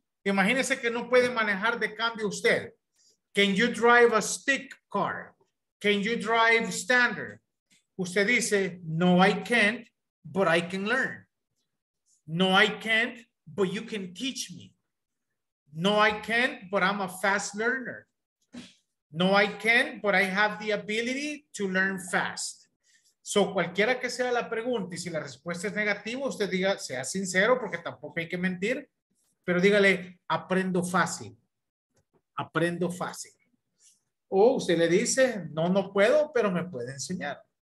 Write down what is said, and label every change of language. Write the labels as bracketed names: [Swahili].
[Spanish] Imagínese que no puede manejar de cambio usted. [English] Can you drive a stick car? Can you drive standard? [Spanish] Usted dice, no, [English] I can't, but I can learn. No, I can't, but you can teach me. No, I can't, but I'm a fast learner. No, I can't, but I have the ability to learn fast. [Spanish] So, cualquiera que sea la pregunta, y si la respuesta es negativa, usted diga, sea sincero, porque tampoco hay que mentir. Pero dígale, aprendo fácil. Aprendo fácil. O usted le dice, no, no puedo, pero me puede enseñar.